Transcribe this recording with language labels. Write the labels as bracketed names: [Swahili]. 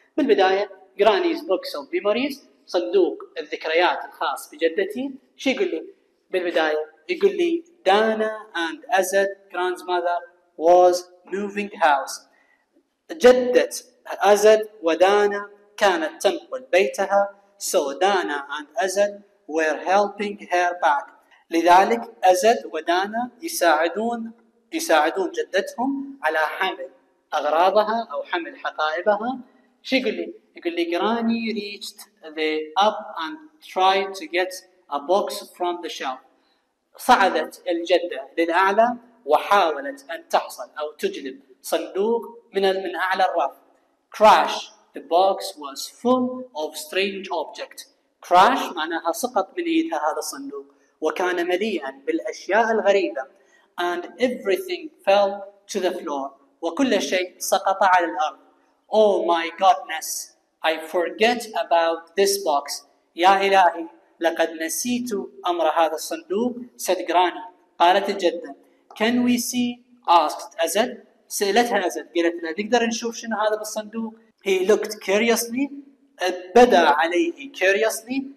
[Arabic] بالبداية [English] Granny's Box of Memories، [Arabic] صندوق الذكريات الخاص بجدتي. شي يقول لي بالبداية، يقول لي [English] Dana and Azad Grand's mother was moving house. [Arabic] جدة أزد ودانا كانت تنقل بيتها. [English] So Dana and Azad were helping her back. [Arabic] لذلك أزد ودانا يساعدون جدتهم على حمل أغراضها أو حمل حقائبها. شي يقول لي، يقول لي [English] Granny reached the up and tried to get a box from the shelf. [Arabic] صعدت الجدة للأعلى وحاولت أن تحصل أو تجلب صندوق من أعلى الرف. [English] Crash, the box was full of strange objects. [Arabic] Crash معناها سقط من يدها هذا الصندوق، وكان مليئا بالأشياء الغريبة. [English] And everything fell to the floor. [Arabic] وكل شيء سقط على الأرض. [English] Oh my goodness, I forget about this box. [Arabic] يا إلهي، لقد نسيت أمر هذا الصندوق. [English] said Granny. [Arabic] قالت الجدة. [English] Can we see? asked Azad. [Arabic] سألتها [English] Azad. [Arabic] قالت لها نقدر نشوف شنو هذا بالصندوق. He looked curiously. بدأ عليه curiously.